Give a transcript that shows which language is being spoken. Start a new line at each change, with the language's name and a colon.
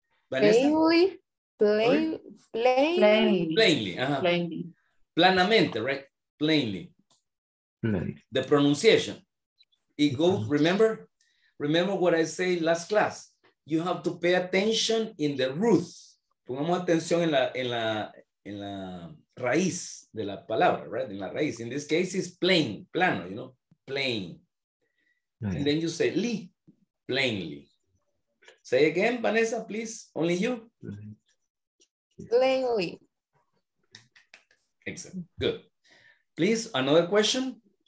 English: Vanessa? Mainly, Plainly.
Spanish: Planamente,
English: right? Plainly. Plain. The pronunciation. It goes, remember? Remember what I said last class. You have to pay attention in the root.
Spanish: Pongamos atención en la raíz de la palabra, right? En la raíz.
English: In this case, it's plain,
Spanish: plano,
English: you know? Plain. Right. And then you say, li, plainly. Say again, Vanessa, please. Only you. Plainly. Excellent. Good. Please, another question.